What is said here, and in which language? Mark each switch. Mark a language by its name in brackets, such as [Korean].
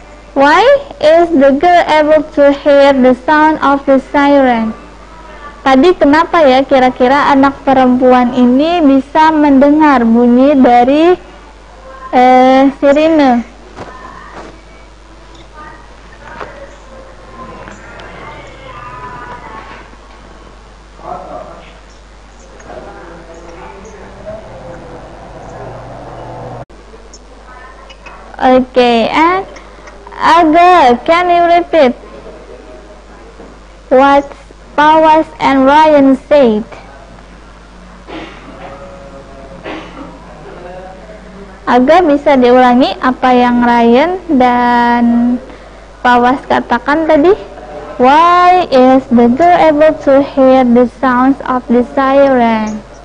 [English] Why is the girl able to hear the sound of the siren? [Indonesian] Tadi kenapa ya kira-kira anak perempuan ini bisa mendengar bunyi dari sirine? [English] Okay, and Again, can you repeat what Powers and Ryan said? [Indonesian] Agak bisa diulangi apa yang Ryan dan Pawas katakan tadi? [English] Why is the girl able to hear the sounds of the siren?